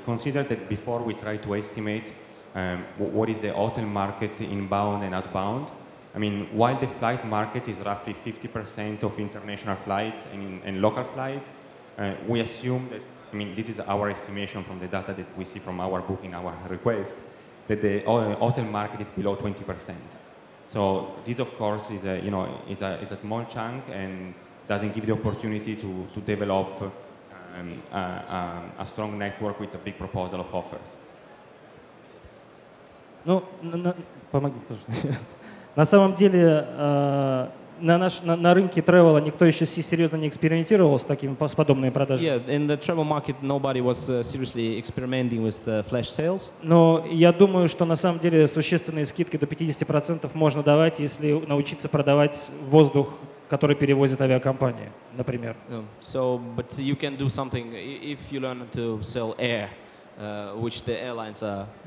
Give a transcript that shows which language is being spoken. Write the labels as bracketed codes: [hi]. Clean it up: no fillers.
[en] Consider that before we try to estimate what is the hotel market inbound and outbound, I mean, while the flight market is roughly 50% of international flights and local flights, we assume that, I mean, this is our estimation from the data that we see from our booking, our request, that the hotel market is below 20%. So this, of course, is a small chunk and doesn't give the opportunity to develop a strong network with a big proposal of offers. [ru] No, помоги тоже. На самом деле, на рынке тревела никто еще серьезно не экспериментировал с такими подобными продажами. [en] Yeah, in the travel market, nobody was seriously experimenting with the flash sales. [ru] Но я думаю, что на самом деле существенные скидки до 50% можно давать, если научиться продавать воздух, который перевозит авиакомпании, например. [en] So, but you can do something if you learn to sell air, which the airlines are...